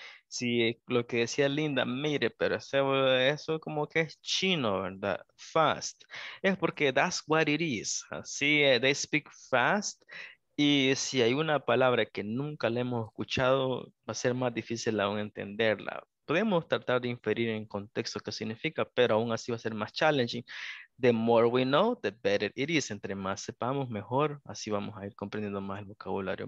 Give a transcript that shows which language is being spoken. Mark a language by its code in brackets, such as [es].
[es] Sí, lo que decía Linda, mire, pero eso como que es chino, ¿verdad? [en] Fast. [es] Es porque [en] that's what it is. [es] Así, [en] they speak fast. [es] Y si hay una palabra que nunca le hemos escuchado, va a ser más difícil aún entenderla. Podemos tratar de inferir en contexto qué significa, pero aún así va a ser más challenging. [en] The more we know, the better it is. [es] Entre más sepamos, mejor. Así vamos a ir comprendiendo más el vocabulario.